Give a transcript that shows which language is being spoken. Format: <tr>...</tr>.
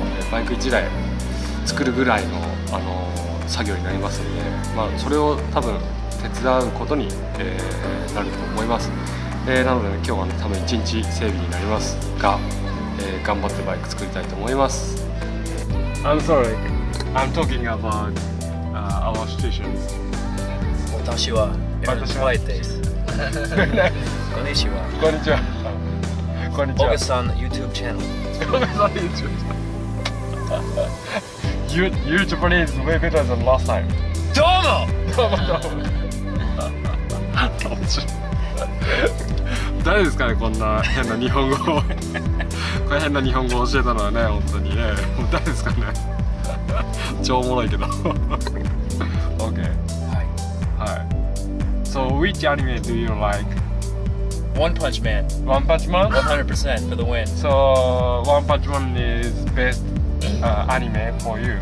<ja>バイク1台作るぐらいの、作業になりますんで、それを多分手伝うことに、なると思います。なので、ね、今日は、ね、多分一日整備になりますが、頑張ってバイク作りたいと思います。</ja> <en>I'm sorry, I'm talking about、our situations.</en> <ja>私は、ワイです。こんにちは。こんにちは。こんにちは。オゲさん YouTube チャンネル。オゲさん YouTube チャンネル。</ja> <en>You Japanese way better than last time.</en> <ja>どうも。どうも誰ですかね、こんな変な日本語をこれ変な日本語を教えたのはね、本当にね、もう誰ですかね超おもろいけどOK、はい、はい。</ja> <en>So which anime do you like? One Punch Man. One Punch Man? 100% for the win. So One Punch Man is best、anime for you?</en>